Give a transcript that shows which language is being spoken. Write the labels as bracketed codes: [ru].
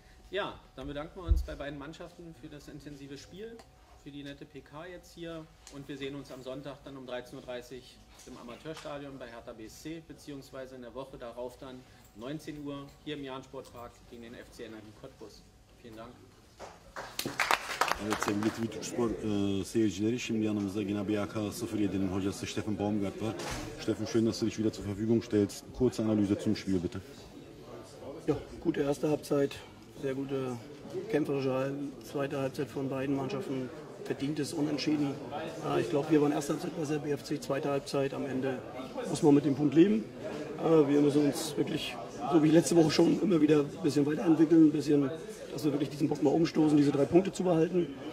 [de] Ja, dann bedanken wir uns bei beiden Mannschaften für das intensive Spiel, für die nette PK jetzt hier und wir sehen uns am Sonntag dann um 13.30 Uhr im Amateurstadion bei Hertha BSC, beziehungsweise in der Woche darauf dann 19 Uhr hier im Jahn-Sportpark gegen den FC Energie Cottbus. Vielen Dank. [tr] Evet sevgili TV Türk Spor seyircileri, şimdi yanımızda yine BHK07'nin hocası Steffen Baumgart var. [de] Steffen, schön, dass du dich wieder zur Verfügung stellst. Kurze Analyse zum Spiel, bitte. Ja, gute erste Halbzeit, sehr gute kämpferische zweite Halbzeit von beiden Mannschaften. verdientes Unentschieden. Ich glaube, wir waren erste Halbzeit besser, BFC zweite Halbzeit. Am Ende muss man mit dem Punkt leben. Wir müssen uns wirklich, so wie letzte Woche schon, immer wieder ein bisschen weiterentwickeln, ein bisschen, dass wir wirklich diesen Bock mal umstoßen, diese drei Punkte zu behalten.